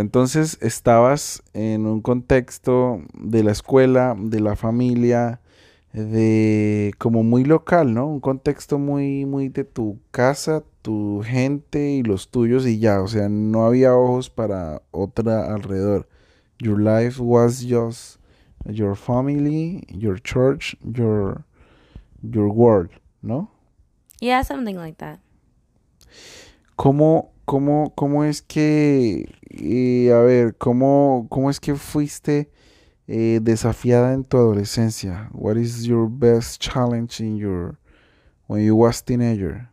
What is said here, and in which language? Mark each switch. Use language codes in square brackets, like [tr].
[es] Entonces, estabas en un contexto de la escuela, de la familia, de como muy local, ¿no? Un contexto muy, muy de tu casa, tu gente y los tuyos y ya. O sea, no había ojos para otra alrededor. [en] Your life was just your family, your church, your world, ¿no? Yeah, something like that. [es] ¿Cómo es que, a ver, cómo es que fuiste desafiada en tu adolescencia? [en] What is your best challenge in your when you was teenager?